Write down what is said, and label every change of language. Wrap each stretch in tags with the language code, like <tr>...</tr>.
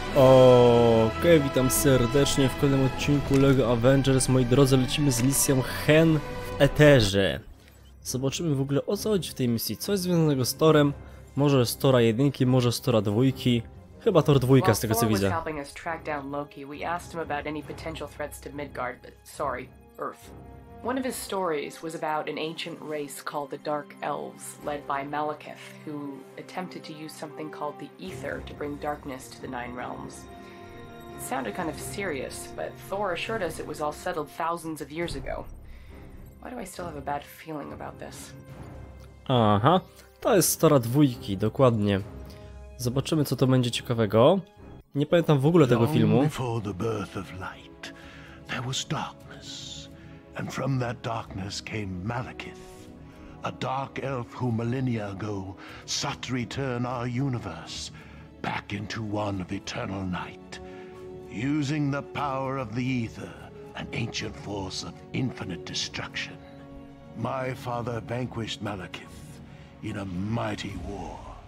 <pl>Okej, witam serdecznie w kolejnym odcinku LEGO Avengers. Moi drodzy, lecimy z misją Hen w Eterze. Zobaczymy w ogóle, o co chodzi w tej misji. Coś związanego z Thorem. Może z Thora jedynki, może z Thora dwójki. Chyba Thor dwójka, z tego co widzę.</pl> <en>While Thor was helping us track down Loki, we asked him about any potential threats to Midgard, but sorry, Earth. One of his stories was about an ancient race called the Dark Elves, led by Malekith, who attempted to use something called the Aether to bring darkness to the Nine Realms. It sounded kind of serious, but Thor assured us it was all settled thousands of years ago. Why do I still have a bad feeling about this?</en> <pl>Aha, to jest Thora dwójki, dokładnie. Zobaczymy, co to będzie ciekawego. Nie pamiętam w ogóle tego filmu.</pl> <en>Long before the birth of light, there was darkness. And from that darkness came Malekith, a dark elf who millennia ago sought to return our universe back into one of eternal night. Using the power of the Aether, an ancient force of infinite destruction, my father vanquished Malekith in a mighty war.</en>